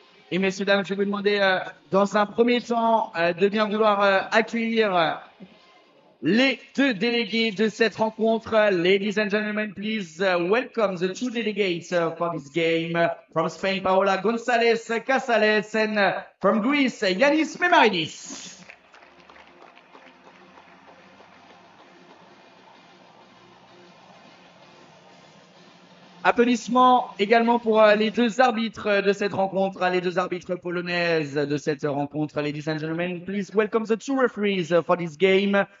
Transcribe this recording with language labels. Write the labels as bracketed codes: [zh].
[fr] Et messieurs, dames, je vais vous demander dans un premier temps de bien vouloir accueillir les deux délégués de cette rencontre. [en] Ladies and gentlemen, please welcome the two delegates for this game. From Spain, Paola González Casales, and from Greece, Yanis Memaridis. [fr] Applaudissements également pour les deux arbitres de cette rencontre, les deux arbitres polonaises de cette rencontre. [en] Ladies and gentlemen, please welcome the two referees for this game.